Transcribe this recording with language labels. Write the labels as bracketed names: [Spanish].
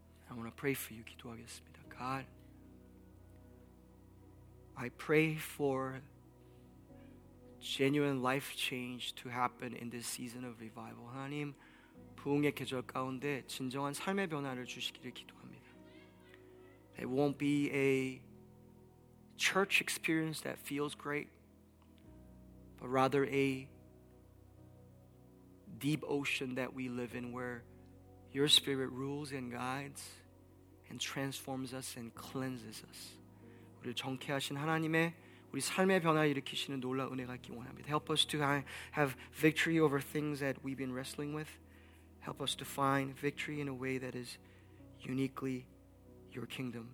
[English] I want to pray for you. [Korean] 기도하겠습니다. [English] God, I pray for genuine life change to happen in this season of revival. [Korean] 하나님, 부흥의 계절 가운데 진정한 삶의 변화를 주시기를 기도합니다. [English] It won't be a church experience that feels great, but rather a deep ocean that we live in where your spirit rules and guides and transforms us and cleanses us. [Korean] 우리를 정케 하신 하나님의 우리 삶의 변화를 일으키시는 놀라운 은혜가 있기 원합니다. [English] Help us to have victory over things that we've been wrestling with. Help us to find victory in a way that is uniquely your kingdom.